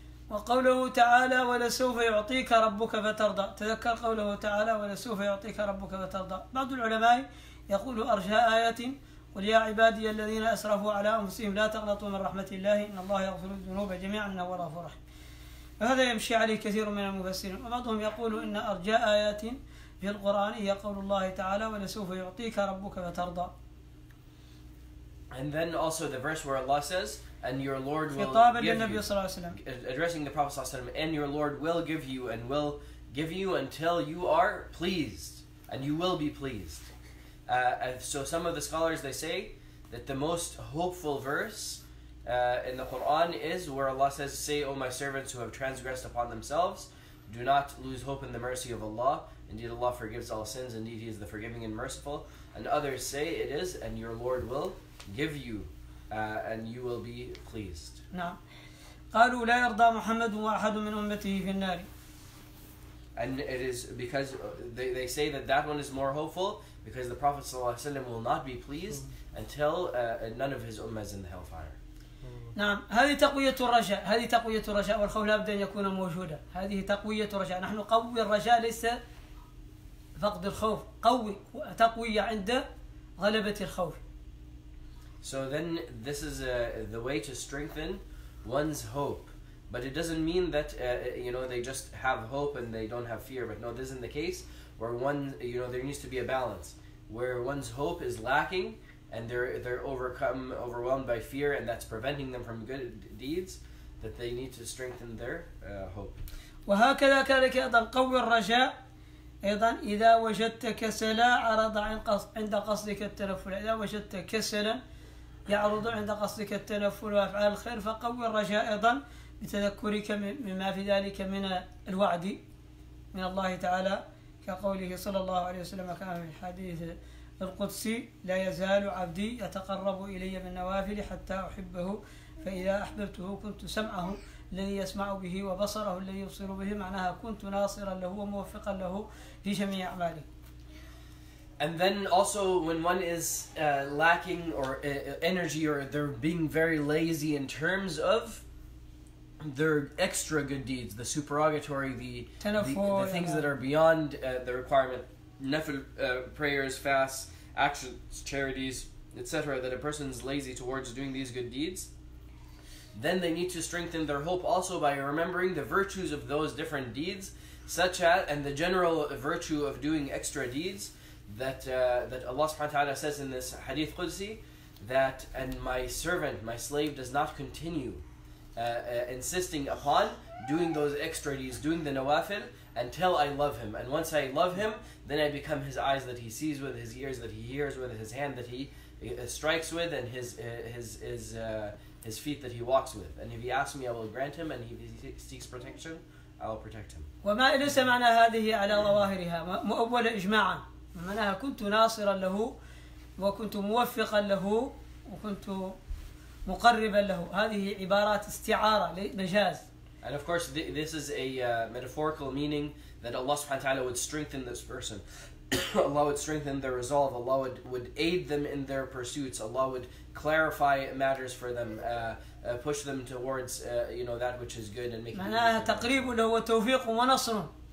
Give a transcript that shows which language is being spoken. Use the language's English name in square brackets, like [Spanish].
[Arabic] وقوله تعالى ولسوف يعطيك ربك فترضى تذكر قوله تعالى ولسوف يعطيك ربك فترضى بعض العلماء يقول أرجاء آية قل يا عبادي الذين أسرفوا على أنفسهم لا تقنطوا من رحمة الله إن الله يغفر الذنوب جميعا إنه هو الغفور الرحيم فهذا يمشي عليه كثير من المفسرين وبعضهم يقول إن أرجاء آية في القرآن هي قول الله تعالى ولسوف يعطيك ربك فترضى. [English] And then also the verse where Allah says, and your Lord will give you, addressing the Prophet ﷺ, and your Lord will give you and will give you until you are pleased, and you will be pleased. So some of the scholars, they say that the most hopeful verse in the Quran is where Allah says, say, O my servants who have transgressed upon themselves, do not lose hope in the mercy of Allah. Indeed, Allah forgives all sins. Indeed, He is the forgiving and merciful. And others say it is, and your Lord will give you, and you will be pleased. [Arabic] نعم. قالوا لا يرضى محمد واحد من أمته في النار. [English] And it is because they say that one is more hopeful because the Prophet [Arabic] صلى الله عليه وسلم [English] will not be pleased until none of his ummah is in the hellfire. [Arabic] نعم. هذه تقوية الرجاء. هذه تقوية الرجاء والخوف لابد أن يكون موجودا. هذه تقوية الرجاء. نحن قوي الرجاء ليس فقد الخوف. قوي تقوية عند غلبة الخوف. [English] So then this is the way to strengthen one's hope. But it doesn't mean that they just have hope and they don't have fear. But no, this isn't the case where one, there needs to be a balance. Where one's hope is lacking and they're overwhelmed by fear and that's preventing them from good deeds, that they need to strengthen their hope. [Arabic] وهكذا كذلك أيضا قوي الرجاء أيضا إذا وجدت كسلا عرض عند قصدك التنفل إذا وجدت كسلا يعرض عند قصدك التنفل وأفعال الخير فقوي الرجاء أيضا بتذكرك مما في ذلك من الوعد من الله تعالى كقوله صلى الله عليه وسلم كما في الحديث القدسي لا يزال عبدي يتقرب إلي من نوافل حتى أحبه فإذا أحببته كنت سمعه الذي يسمع به وبصره الذي يبصر به معناها كنت ناصرا له وموفقا له في جميع أعماله. [English] And then also when one is lacking or energy or they're being very lazy in terms of their extra good deeds, the supererogatory, the things that are beyond the requirement, nafil prayers, fasts, actions, charities, etc., that a person's lazy towards doing these good deeds, then they need to strengthen their hope also by remembering the virtues of those different deeds, such as, and the general virtue of doing extra deeds, that Allah subhanahu wa ta'ala says in this hadith Qudsi, that and my servant, my slave, does not continue insisting upon doing those extra deeds, doing the nawafil, until I love him. And once I love him, then I become his eyes that he sees with, his ears that he hears with, his hand that he strikes with, and his feet that he walks with. And if he asks me, I will grant him, and if he seeks protection, I will protect him. [Arabic] وما ليس معنى هذه على ظواهرها مؤول إجماعا معناها كنت ناصرا له وكنت موفقا له وكنت مقربا له هذه عبارات استعارة مجاز. [English] And of course, this is a metaphorical meaning that Allah subhanahu wa ta'ala would strengthen this person. Allah would strengthen their resolve. Allah would aid them in their pursuits. Allah would clarify matters for them, push them towards that which is good and make them [Arabic] معناها تقريب له وتوفيق ونصر.